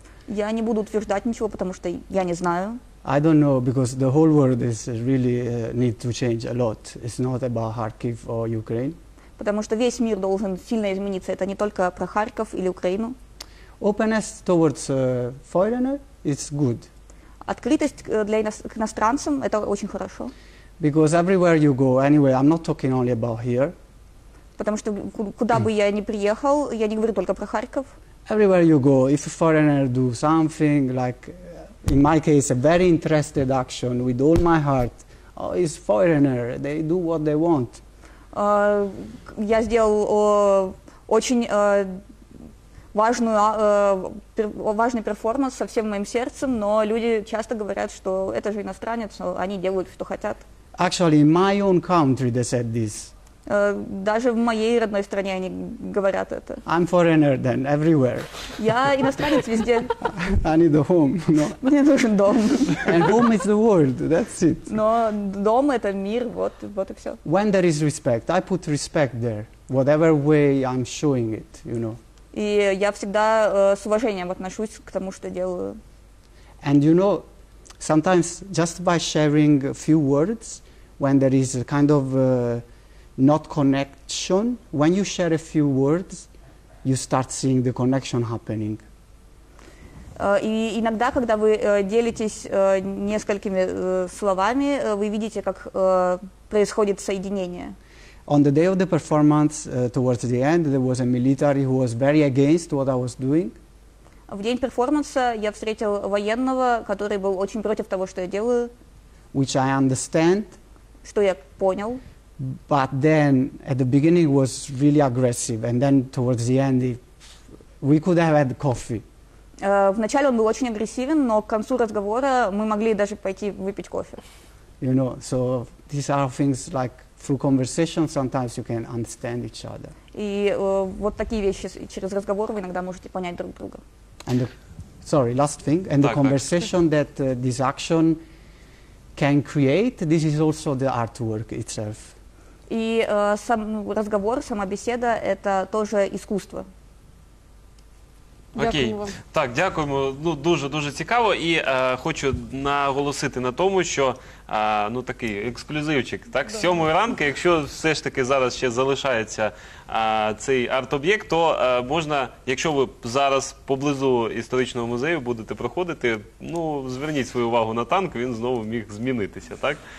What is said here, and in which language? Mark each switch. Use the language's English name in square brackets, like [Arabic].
[Russian] Я не буду утверждать ничего, потому что я не знаю. [English] I don't know because the whole world is really need to change a lot. It's not about Kharkiv or Ukraine. [Russian] Потому что весь мир должен сильно измениться. Это не только про Харьков или Украину. [English] Openness towards foreigner is good. [Russian] Открытость для иностранцев – это очень хорошо. [English] Because everywhere you go, anyway, I'm not talking only about here. [Russian] Потому что куда бы я ни приехал, я не говорю только про Харьков. [English] Everywhere you go, if a foreigner do something, like in my case, a very interested action with all my heart, oh, it's foreigner, they do what they want. [Russian] Я сделал очень... важный перформанс со всем моим сердцем, но люди часто говорят, что это же иностранец, они делают, что хотят. [English] Actually, in my own country they said this. [Russian] Даже в моей родной стране они говорят это. [English] I'm foreigner then, everywhere. [Russian] Я иностранец везде. [English] I need a home, no. [Russian] Мне нужен дом. [English] And home is the world, that's it. [Russian] Но дом это мир, вот и все. [English] When there is respect, I put respect there, whatever way I'm showing it, you know. [Russian] И я всегда с уважением отношусь к тому, что делаю. [English] And you know, sometimes just by sharing a few words, when there is a kind of not connection, when you share a few words, you start seeing the connection happening. [Russian] И иногда, когда вы делитесь несколькими словами, вы видите, как происходит соединение. [English] On the day of the performance, towards the end, there was a military who was very against what I was doing. [Russian] В день перформанса я встретил военного, который был очень против того, что я делаю. [English] Which I understand. [Russian] Что я понял. [English] But then, at the beginning, was really aggressive, and then towards the end, we could have had coffee. [Russian] Вначале он был очень агрессивен, но к концу разговора мы могли даже пойти выпить кофе. [English] You know, so these are things like. Through conversation, sometimes you can understand each other. [Russian] И вот такие вещи через разговор вы иногда можете понять друг друга. [English] And last thing, and the conversation that this action can create, this is also the artwork itself. [Russian] И сам разговор, сама беседа, это тоже искусство. [Ukrainian] Окей. Так, дякуємо. Ну, дуже-дуже цікаво. І хочу наголосити на тому, що, ну, такий ексклюзивчик, так, добре. 7 ранку, якщо все ж таки зараз ще залишається цей арт-об'єкт, то можна, якщо ви зараз поблизу історичного музею будете проходити, ну, зверніть свою увагу на танк, він знову міг змінитися, так?